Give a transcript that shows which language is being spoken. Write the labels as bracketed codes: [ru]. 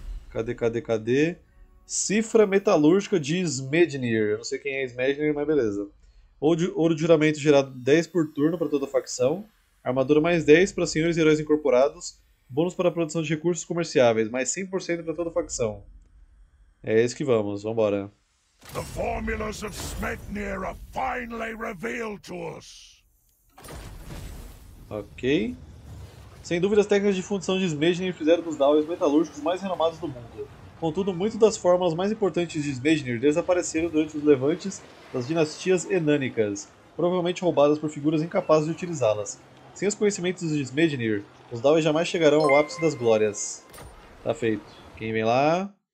[pt] Cadê, cadê, cadê? Cifra metalúrgica de Smednir. Eu não sei quem é Smednir, mas beleza. Ouro de juramento gerado 10 por turno para toda a facção. Armadura mais 10 para senhores e heróis incorporados. Bônus para a produção de recursos comerciáveis. Mais 100% para toda a facção. É isso que vamos. Vambora. [en] The formulas of Smednir are finally revealed to us. Ok. [pt] Sem dúvida, as técnicas de fundição de Smednir fizeram dos Dowies metalúrgicos mais renomados do mundo. Contudo, muitas das fórmulas mais importantes de Smednir desapareceram durante os levantes das dinastias enânicas, provavelmente roubadas por figuras incapazes de utilizá-las. Sem os conhecimentos de Smednir, os Dowies jamais chegarão ao ápice das glórias. Tá feito. Quem vem lá?